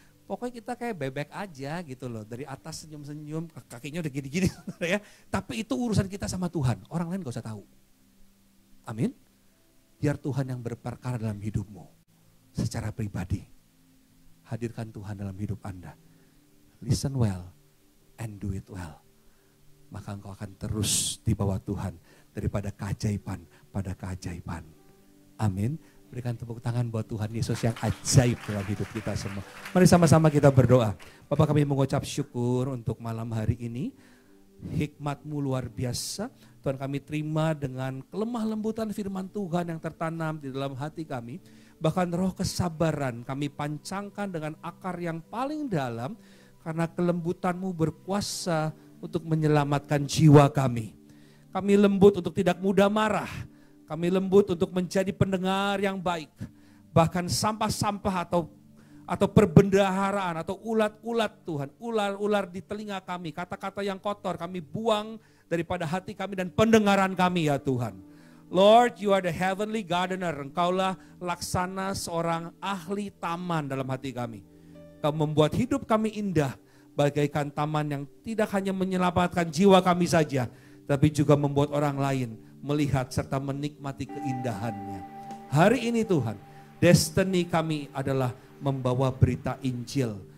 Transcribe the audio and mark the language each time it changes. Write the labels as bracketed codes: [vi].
[id] Pokoknya kita kayak bebek aja gitu loh. Dari atas senyum-senyum, kakinya udah gini-gini. Ya. Tapi itu urusan kita sama Tuhan. Orang lain gak usah tahu. Amin. Biar Tuhan yang berperkara dalam hidupmu. Secara pribadi, hadirkan Tuhan dalam hidup Anda. [en] Listen well and do it well. [id] Maka engkau akan terus dibawa Tuhan daripada keajaiban pada keajaiban. Amin. Berikan tepuk tangan buat Tuhan Yesus yang ajaib dalam hidup kita semua. Mari sama-sama kita berdoa. Bapa kami mengucap syukur untuk malam hari ini. Hikmat-Mu luar biasa. Tuhan kami terima dengan kelemah lembutan firman Tuhan yang tertanam di dalam hati kami. Bahkan roh kesabaran kami pancangkan dengan akar yang paling dalam karena kelembutan-Mu berkuasa untuk menyelamatkan jiwa kami. Kami lembut untuk tidak mudah marah. Kami lembut untuk menjadi pendengar yang baik. Bahkan sampah-sampah atau perbendaharaan atau ulat-ulat Tuhan, ular-ular di telinga kami, kata-kata yang kotor kami buang daripada hati kami dan pendengaran kami ya Tuhan. [en] Lord, You are the heavenly gardener. [id] Engkaulah laksana seorang ahli taman dalam hati kami. Kau membuat hidup kami indah bagaikan taman yang tidak hanya menyelamatkan jiwa kami saja, tapi juga membuat orang lain melihat serta menikmati keindahannya. Hari ini Tuhan, destiny kami adalah membawa berita Injil.